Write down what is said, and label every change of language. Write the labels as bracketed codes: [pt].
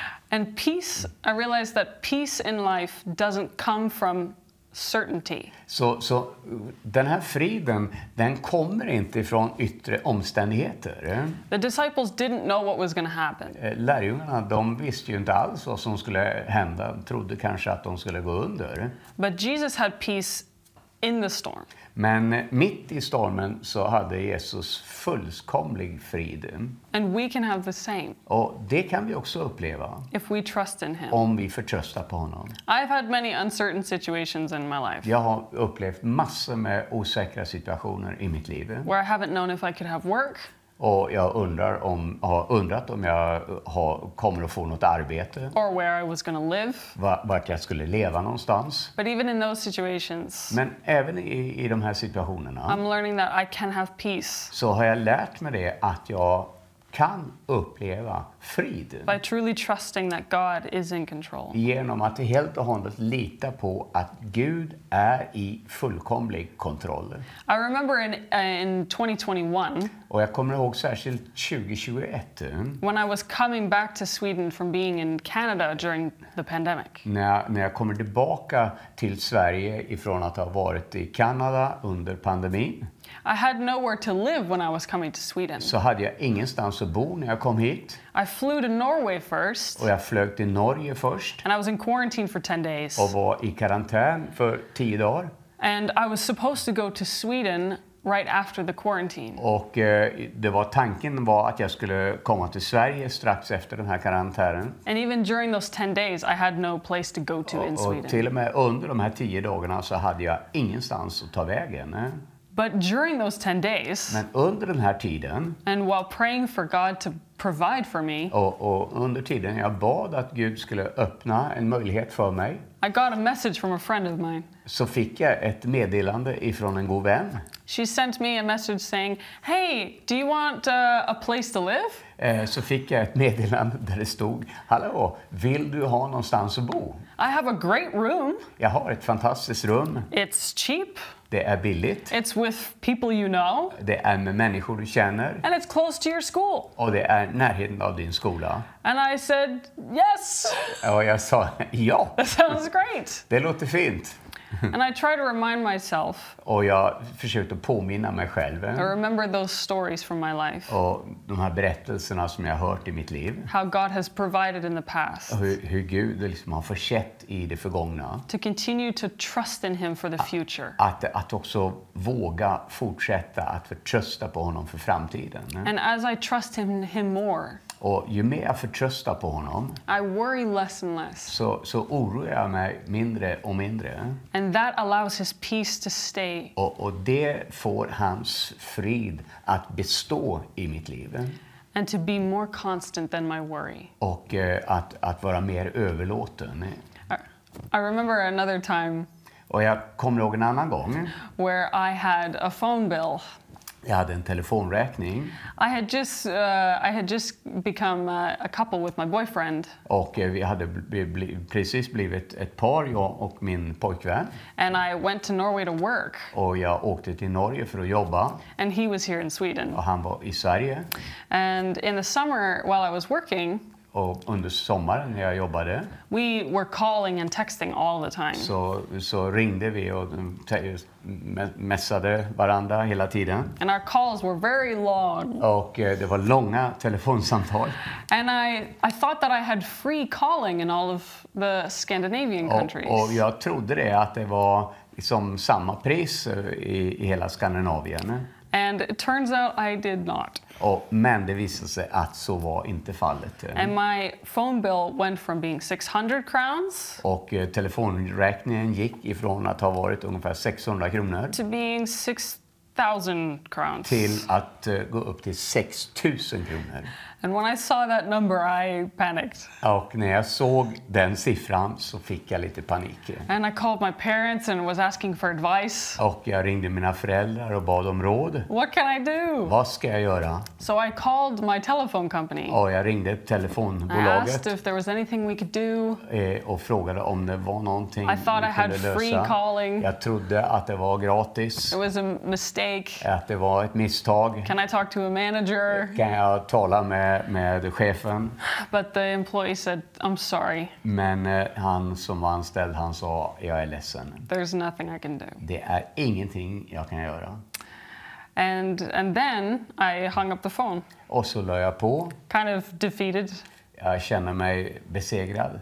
[en] And peace, I realize that peace in life doesn't come from certainty. [sv] Så den här friden, den kommer inte från yttre omständigheter. [en] The disciples didn't know what was going to happen. [sv] Lärjungarna, de visste ju inte alls vad som skulle hända. De trodde kanske att de skulle gå under. [en] But Jesus had peace in the storm. [sv] Men mitt i stormen så hade Jesus fullkomlig frid. [en] And we can have the same. [sv] Och det kan vi också uppleva. [en] If we trust in him. [sv] Om vi förtröstar på honom. [en] I've had many uncertain situations in my life. [sv] Jag har upplevt massor med osäkra situationer i mitt liv. [en] Where I haven't known if I could have work. [sv] Och jag undrar om har undrat om jag har kommer att få något arbete. [en] Or where I was going to live. [sv] Vart jag skulle leva någonstans. [en] But even in those situations. [sv] Men även i de här situationerna. [en] I'm learning that I can have peace. [sv] Så har jag lärt mig det att jag kan uppleva frid. [en] By truly trusting that God is in control. [sv] Genom att helt och hållet lita på att Gud är i fullkomlig kontroll. [en] I remember in 2021. [sv] Och jag kommer ihåg särskilt 2021. [en] When I was coming back to Sweden from being in Canada during the pandemic. [sv] När jag kommer tillbaka till Sverige ifrån att ha varit i Kanada under pandemin. [en] I had nowhere to live when I was coming to Sweden. [sv] Så hade jag ingenstans att bo när jag kom hit. [en] I flew to Norway first. [sv] Och jag flög till Norge först. [en] And I was in quarantine for 10 days. [sv] Och var i karantän för 10 dagar. [en] And I was supposed to go to Sweden right after the quarantine. [sv] Och det var tanken var att jag skulle komma till Sverige strax efter den här karantänen. [en] And even during those 10 days I had no place to go to in Sweden. [sv] Och till och med under de här 10 dagarna så hade jag ingenstans att ta vägen. [en] But during those 10 days, [sv] men under den här tiden, [en] and while praying for God to provide for me, [sv] och under tiden jag bad att Gud skulle öppna en möjlighet för mig, [en] I got a message from a friend of mine. [sv] Så fick jag ett meddelande ifrån en god vän. [en] She sent me a message saying, "Hey, do you want a place to live?" [sv] Så fick jag ett meddelande där det stod, "Hallå, vill du ha någonstans att bo?" [en] I have a great room. [sv] Jag har ett fantastiskt rum. [en] It's cheap. [sv] Det är billigt. [en] It's with people you know. [sv] Det är med människor du känner. [en] And it's close to your school. [sv] Och det är närheten av din skola. [en] And I said, yes. [sv] Och jag sa, ja. [en] That sounds great. [sv] Det låter fint. [en] And I try to remind myself. [sv] Och jag försökte påminna mig själv. [en] I remember those stories from my life. [sv] Och de här berättelserna som jag hört i mitt liv. [en] How God has provided in the past. [sv] Hur Gud liksom har försett i det förgångna. [en] To continue to trust in him for the future. [sv] Att också våga fortsätta att förtrösta på honom för framtiden. [en] And as I trust him more. [sv] Och ju mer jag förtröstar på honom, [en] I worry less and less. [sv] Så oroar jag mig mindre och mindre. [en] And that allows his peace to stay. [sv] Och det får hans frid att bestå i mitt liv. [en] And to be more constant than my worry. [sv] Och att vara mer överlåten. [en] I remember another time. [sv] Och jag kommer ihåg en annan gång. [en] Where I had a phone bill. [sv] Jag hade en telefonräkning. [en] I had just become a couple with my boyfriend. [sv] Och vi hade precis blivit ett par, jag och min pojkvän. [en] And I went to Norway to work. [sv] Och jag åkte till Norge för att jobba. [en] And he was here in Sweden. [sv] Och han var i Sverige. [en] And in the summer while I was working. [sv] Och under sommaren när jag jobbade. [en] We were calling and texting all the time. [sv] Så ringde vi och messade varandra hela tiden. [en] And our calls were very long. [sv] Och det var långa telefonsamtal. [en] And I thought that I had free calling in all of the Scandinavian countries. [sv] Och jag trodde det att det var som samma pris i hela Skandinavien. [en] And it turns out I did not. [sv] Men det visade sig att så var inte fallet. [en] And my phone bill went from being 600 crowns. [sv] Och telefonräkningen gick ifrån att ha varit ungefär 600 kronor. [en] To being 6,000 crowns. [sv] Till att gå upp till 6,000 kronor. [en] And when I saw that number I panicked. [sv] Och när jag såg den siffran så fick jag lite panik. [en] And I called my parents and was asking for advice. [sv] Och jag ringde mina föräldrar och bad om råd. [en] What can I do? [sv] Vad ska jag göra? [en] So I called my telephone company. [sv] Och jag ringde telefonbolaget. [en] I asked if there was anything we could do. [sv] Och frågade om det var någonting. [en] I thought I had free calling. [sv] Jag trodde att det var gratis. [en] It was a mistake. [sv] Att det var ett misstag. [en] Can I talk to a manager? [sv] Kan jag tala med chefen. [en] But the employee said, I'm sorry. [sv] Men han som var anställd, han sa, jag är ledsen. [en] There's nothing I can do. [sv] Det är ingenting jag kan göra. [en] And then I hung up the phone. [sv] Och så la jag på. [en] Kind of defeated. [sv] Jag känner mig besegrad.